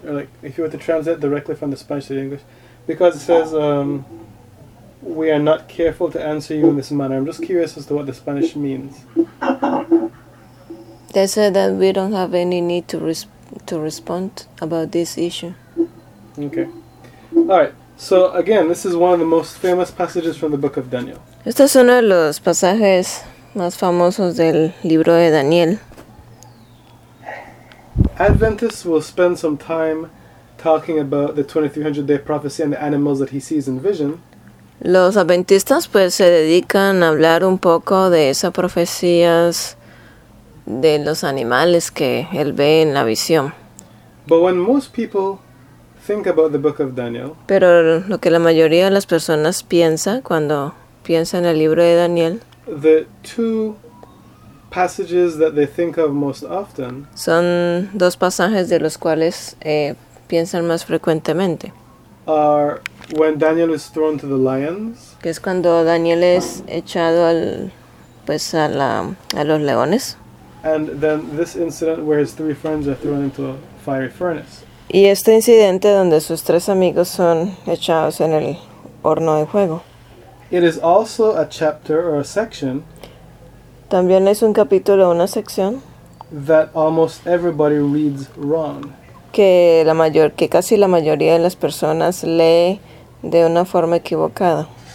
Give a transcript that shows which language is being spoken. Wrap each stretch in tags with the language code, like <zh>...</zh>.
<en>Or like, if you were to translate directly from the Spanish to the English? Because it says, we are not careful to answer you in this manner. I'm just curious as to what the Spanish means. They said that we don't have any need to respond about this issue. Okay. All right. So, again, this is one of the most famous passages from the Book of Daniel.</en> <es>Estos son los pasajes más famosos del libro de Daniel.</es> <en>Adventists will spend some time talking about the 2300 day prophecy and the animals that he sees in vision.</en> <es>Los adventistas pues se dedican a hablar un poco de esas profecías de los animales que él ve en la visión.</es> <en>But when most people think about the book of Daniel,</en> <es>pero lo que la mayoría de las personas piensa cuando piensa en el libro de Daniel,</es> <en>the two passages that they think of most often</en> <es>son dos pasajes de los cuales piensan más frecuentemente</es> <en>are when Daniel is thrown to the lions,</en> <es>que es cuando Daniel es echado al pues a los leones,</es> <en>And then this incident where his three friends are thrown into a fiery furnace.</en> <es>Y este incidente donde sus tres amigos son echados en el horno de fuego.</es> <en>It is also a chapter or a section.</en> <es>También es un capítulo o una sección.</es> <en>That almost everybody reads wrong.</en> <es>Que casi la mayoría de las personas lee de una forma equivocada.</es>